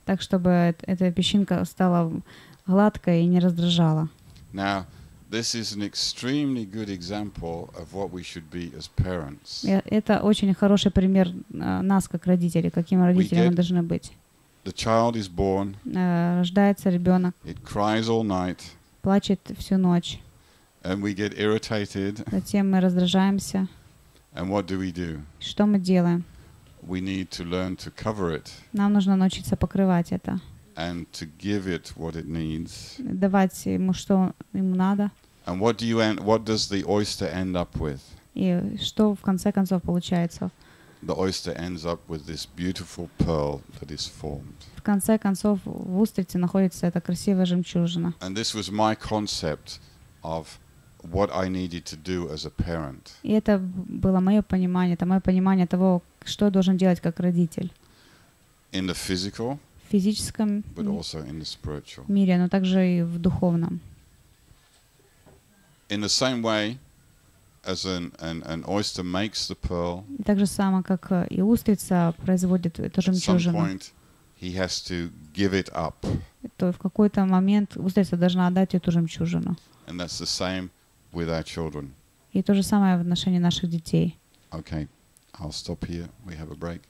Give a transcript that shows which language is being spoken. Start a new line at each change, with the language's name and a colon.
Russian: Так, чтобы эта песчинка стала гладкой и не раздражала.
English: Now, this is an extremely good example of what we should be as parents.
Russian: Это очень хороший пример нас как родителей, каким родителями мы должны быть.
English: The child is born.
Russian: Рождается ребенок.
English: It cries all night.
Russian: Плачет всю ночь.
English: And we get irritated.
Russian: Затем мы раздражаемся.
English: And what do we do?
Russian: Что мы делаем?
English: We need to learn to cover it.
Russian: Нам нужно научиться покрывать это.
English: And to give it what it needs.
Russian: Давать ему что ему надо.
English: And what do you end? What does the oyster end up with?
Russian: И что в конце концов получается?
English: The oyster ends up with this beautiful pearl that is formed.
Russian: В конце концов в устрице находится эта красивая жемчужина.
English: And this was my concept of what I needed to do as a parent.
Russian: И это было мое понимание, это мое понимание того, что я должен делать как родитель.
English: In the physical.
Russian: В физическом.
English: But also in the spiritual.
Russian: Мире, но также и в духовном.
English: In the same way as an oyster makes the pearl.
Russian: Так же само, как и устрица производит эту жемчужину.
English: At some point, he has to give it up.
Russian: То в какой-то момент устрица должна отдать эту жемчужину.
English: And that's the same with our children.
Russian: И то же самое в отношении наших детей.
English: Okay, I'll stop here. We have a break.